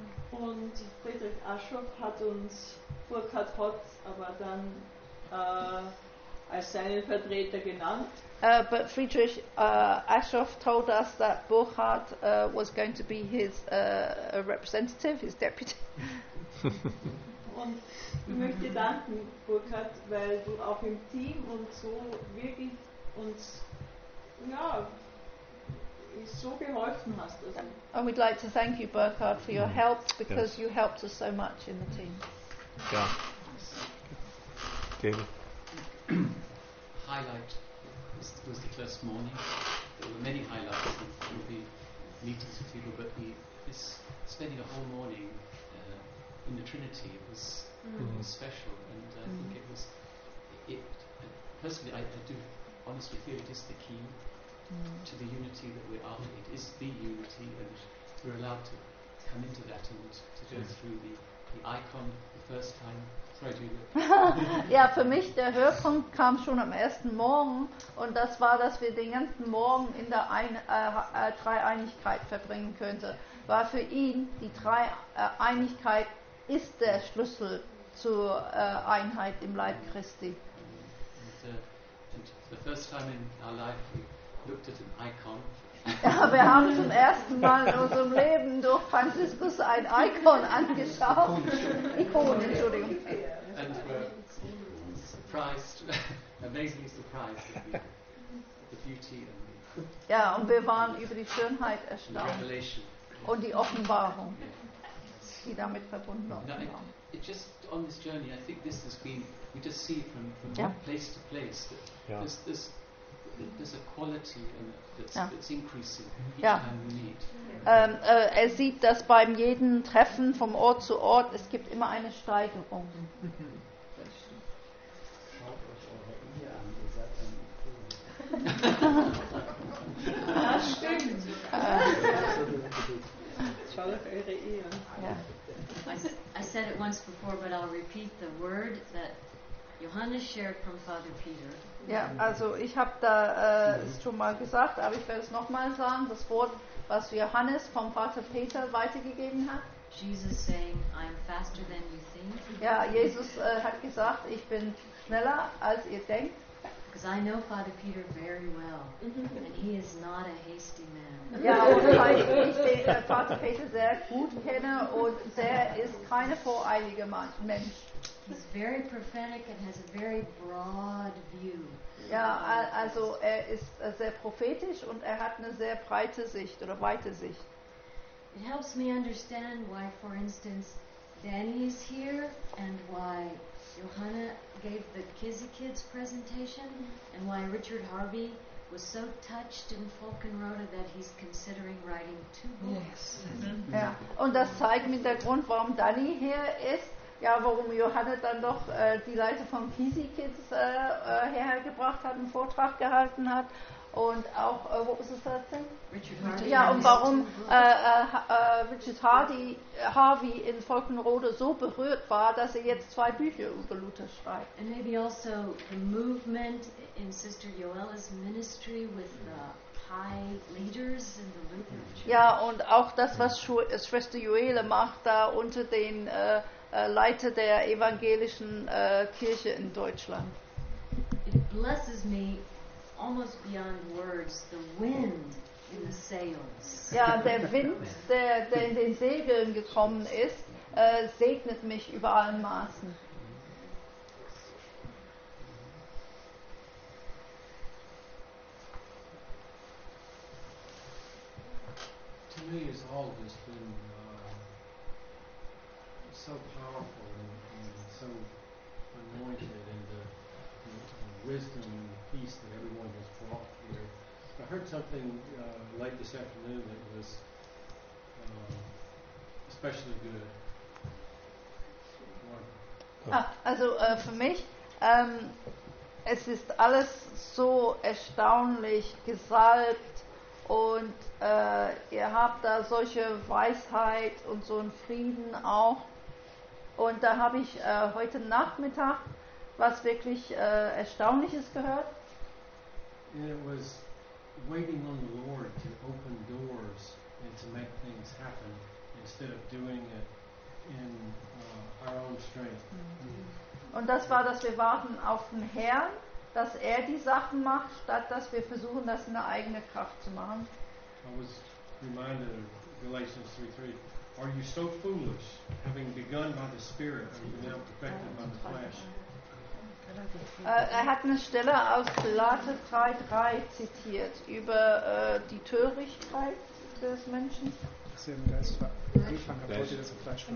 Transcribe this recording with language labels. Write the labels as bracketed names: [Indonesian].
[German] Und Friedrich Aschoff hat uns Burkhard Hotz aber dann als seinen Vertreter genannt. [English] But Friedrich Aschoff told us that Burkhard was going to be his representative, his deputy. [German] Und ich möchte danken, Burkhard, weil du auch im Team und so wirklich uns, ja, so geholfen hast. Also. [English] And we'd like to thank you, Burkhard, for your help, because you helped us so much in the team. [German] Ja. David. [English] Highlight. It was the first morning. There were many highlights that would be meetings with people, but this spending a whole morning in the Trinity was special, and I think it was. Personally, I do honestly feel it is the key to the unity that we're after. It is the unity, and we're allowed to come into that and to go through the icon the first time. Sorry, Julia. [German] Ja, für mich der Höhepunkt kam schon am ersten Morgen und das war, dass wir den ganzen Morgen in der Dreieinigkeit verbringen könnten. War für ihn die Dreieinigkeit ist der Schlüssel zur Einheit im Leib Christi. [English] And the first time in our life we looked at an icon. [German] Ja, wir haben zum ersten Mal in unserem Leben durch Franziskus ein Icon angeschaut. Ikon, Entschuldigung. [English] And we're surprised, amazingly surprised at the beauty and the. [German] Ja, und wir waren über die Schönheit erstaunt. [English] Revelation. [German] Und die Offenbarung, die damit verbunden war. [English] It just on this journey, I think this has been. We just see from ja. Place to place that ja. there's a quality in it that's, ja. that's increasing ja. each time we meet. [German] Er sieht, dass beim jedem Treffen vom Ort zu Ort es gibt immer eine Steigerung. Das stimmt. Schaut auf eure Ehe. Ja. [English] I said it once before, but I'll repeat the word that Johannes shared from Father Peter. [German] Ja, also ich habe da es schon mal gesagt, aber ich werde es nochmal sagen, das Wort, was Johannes vom Vater Peter weitergegeben hat. [English] Jesus saying, I'm faster than you think. [German] Ja, Jesus hat gesagt, ich bin schneller, als ihr denkt. [English] Because I know Father Peter very well, and he is not a hasty man. [German] Ja, und weil ich Vater Peter sehr gut kenne, und der ist kein voreiliger Mensch. [English] He's very prophetic and has a very broad view. [German] Ja, also er ist sehr prophetisch und er hat eine sehr breite Sicht oder weite Sicht. [English] It helps me understand why, for instance, Danny is here and why Johanna gave the Kizzy Kids presentation and why Richard Harvey was so touched in Falkenrode that he's considering writing two books. [German] Ja, und das zeigt mir der Grund, warum Danny hier ist, ja, warum Johanna dann doch die Leiter von Kizzy Kids hergebracht hat, einen Vortrag gehalten hat. Und auch, wo ist es das denn? Richard Harvey. Ja, und warum Richard Harvey in Falkenrode so berührt war, dass er jetzt zwei Bücher über Luther schreibt. [English] And maybe also the movement in Sister Yoella's ministry with the high leaders in the Lutheran Church. [German] Ja, und auch das, was Schwester Yoella macht da unter den Leiter der evangelischen Kirche in Deutschland. [English] It blesses me almost beyond words, the wind in the sails. [German] Ja, der Wind, der in den Segeln gekommen ist, segnet mich über allen Maßen. [English] To me, it's always been so powerful and so anointed in the wisdom and peace that everyone has brought here. I heard something late this afternoon that was especially good. [German] Für mich, es ist alles so erstaunlich gesalbt und ihr habt da solche Weisheit und so einen Frieden auch. Und da habe ich heute Nachmittag was wirklich Erstaunliches gehört. [English] It was waiting on the Lord to open doors and to make things happen instead of doing it in our own strength. [German] Und das war, dass wir warten auf den Herrn, dass er die Sachen macht, statt dass wir versuchen, das in der eigenen Kraft zu machen. [English] I was reminded of Galatians 3:3. Are you so foolish, having begun by the Spirit, are you now perfected by the flesh? [German] Er hat eine Stelle aus Galater 3,3 zitiert über die Törichtheit des Menschen. Das ist im Geist angefangen, aber heute das Fleisch von